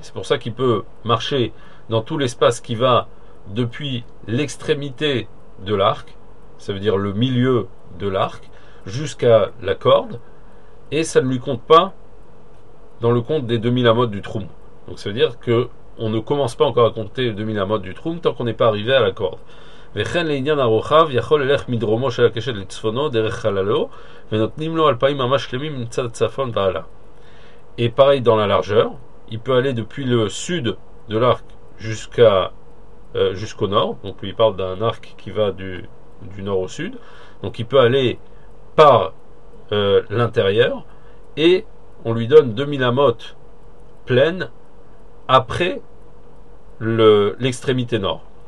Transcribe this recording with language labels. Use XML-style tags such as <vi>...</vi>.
<fr>C'est pour ça qu'il peut marcher dans tout l'espace qui va depuis l'extrémité de l'arc, ça veut dire le milieu de l'arc, jusqu'à la corde, et ça ne lui compte pas dans le compte des 2000 amot du Troum. Donc ça veut dire que on ne commence pas encore à compter les 2000 amot du Troum tant qu'on n'est pas arrivé à la corde.</fr> <he>וכן לעניין הרוחב יכול ללך מדרומו של הקשת לצפונו דרך חללו ונותנים לו 2000 אמה שלמים מצד הצפון ועלה.</he> <fr>Et pareil dans la largeur, il peut aller depuis le sud de l'arc jusqu'au nord, donc lui il parle d'un arc qui va du nord au sud, donc il peut aller par l'intérieur et on lui donne 2000 amot pleines après l'extrémité nord.</fr>